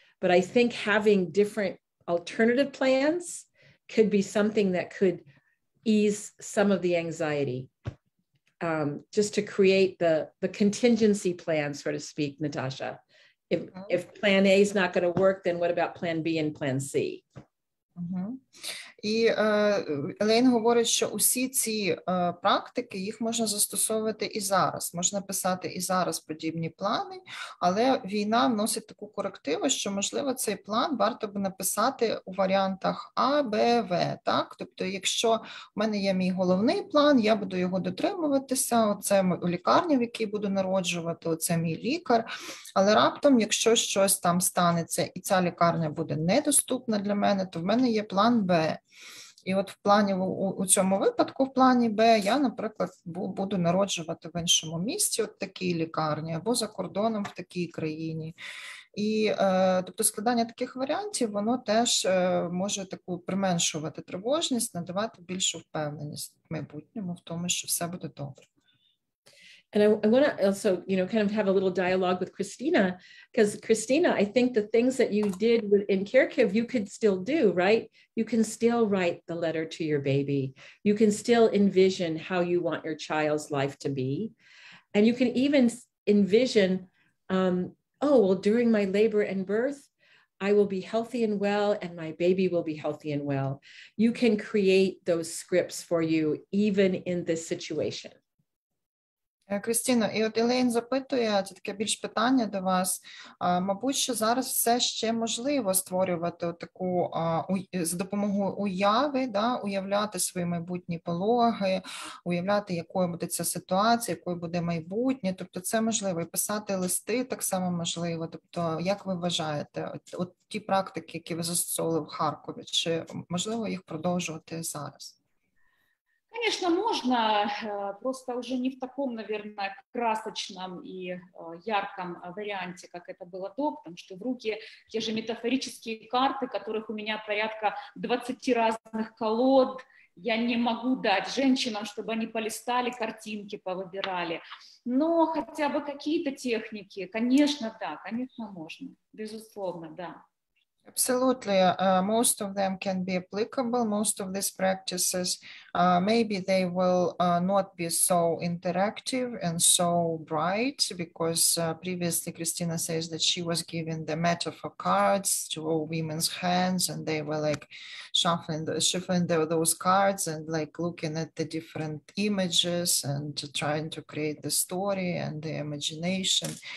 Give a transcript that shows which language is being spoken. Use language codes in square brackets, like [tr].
[en] But I think having different alternative plans could be something that could ease some of the anxiety, just to create the contingency plan, so to speak, Natasha. If plan A is not going to work, then what about plan B and plan C? [uk] І Елейн говорить, що усі ці практики, їх можна застосовувати і зараз. Можна писати і зараз подібні плани, але війна вносить таку корективу, що, можливо, цей план варто б написати у варіантах А, Б, В. Так? Тобто, якщо в мене є мій головний план, я буду його дотримуватися, оце у лікарні, в якій буду народжувати, оце мій лікар. Але раптом, якщо щось там станеться і ця лікарня буде недоступна для мене, то в мене є план Б. І от в плані, у цьому випадку, в плані Б, я, наприклад, буду народжувати в іншому місці, от такій лікарні, або за кордоном в такій країні. І, тобто, складання таких варіантів, воно теж може таку применшувати тривожність, надавати більшу впевненість в майбутньому, в тому, що все буде добре. [en] And I want to also, you know, kind of have a little dialogue with Christina, because Christina, I think the things that you did in Kharkiv, you could still do, right? You can still write the letter to your baby. You can still envision how you want your child's life to be. And you can even envision, during my labor and birth, I will be healthy and well, and my baby will be healthy and well. You can create those scripts for you, even in this situation. [uk] Кристіно, і от Елейн запитує, це таке більш питання до вас, мабуть, що зараз все ще можливо створювати таку, з допомогою уяви, да, уявляти свої майбутні пологи, уявляти, якою буде ця ситуація, якою буде майбутнє, тобто це можливо, і писати листи так само можливо, тобто як ви вважаєте, от ті практики, які ви застосовували в Харкові, чи можливо їх продовжувати зараз? [ru] Конечно, можно, просто уже не в таком, наверное, красочном и ярком варианте, как это было до, потому что в руки те же метафорические карты, которых у меня порядка 20 разных колод, я не могу дать женщинам, чтобы они полистали картинки, повыбирали. Но хотя бы какие-то техники, конечно, да, конечно, можно, безусловно, да. [en] Absolutely. Most of them can be applicable. Most of these practices, maybe they will not be so interactive and so bright, because previously Christina says that she was giving the metaphor cards to all women's hands, and they were like shuffling those cards and like looking at the different images and trying to create the story and the imagination.